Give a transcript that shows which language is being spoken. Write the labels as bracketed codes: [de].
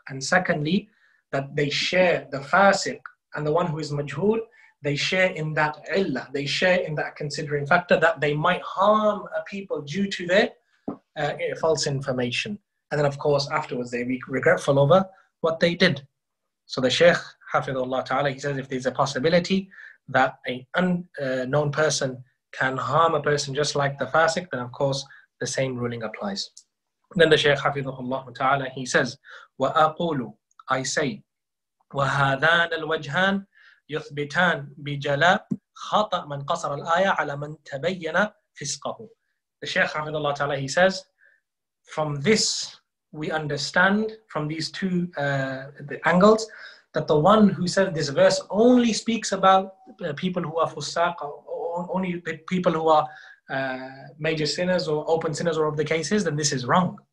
[en] And secondly, that they share the fasiq and the one who is majhul, they share in that illa, they share in that considering factor, that they might harm a people due to their false information. And then of course afterwards they be regretful over what they did. So the Shaykh hafidhullah ta'ala, he says if there's a possibility that an unknown person can harm a person just like the fasiq, then of course the same ruling applies. Then the Shaykh [ar] حفظه الله تعالى, [en] he says, [ar] وَأَقُولُ, [en] I say, [ar] وَهَذَانَ الْوَجْهَانَ يُثْبِتَانَ بِجَلَاءَ خَطَأَ مَنْ قَصَرَ الْآيَةَ عَلَى مَنْ تَبَيَّنَ فِسْقَهُ. [en] The Shaykh حفظه الله تعالى, he says, from this we understand, from these two the angles, that the one who said this verse only speaks about people who are fusaq, only people who are major sinners or open sinners or of the cases, then this is wrong.